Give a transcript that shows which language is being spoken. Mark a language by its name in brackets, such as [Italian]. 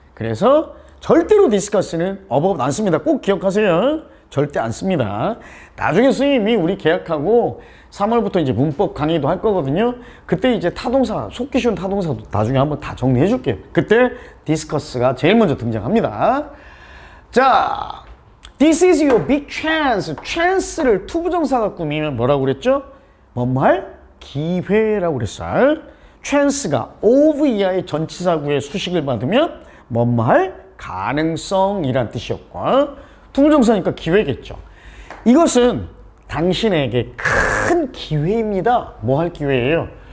[Korean] 그래서 절대로 디스커스는 어법 안 씁니다. 꼭 기억하세요. 절대 안 씁니다. 나중에 선생님이 우리 계약하고 3월부터 이제 문법 강의도 할 거거든요. 그때 이제 타동사, 속기 쉬운 타동사도 나중에 한번 다 정리해 줄게요. 그때 디스커스가 제일 먼저 등장합니다. [English] 자, this is your big chance. [Korean] chance를 투부정사가 꾸미면 뭐라고 그랬죠? 뭔 말? 기회라고 그랬어요. chance가 of 이하의 전치사구의 수식을 받으면 뭔 말? 가능성이란 뜻이었고, 투부정사니까 기회겠죠. 이것은 당신에게 큰 기회입니다. 뭐 할 기회예요?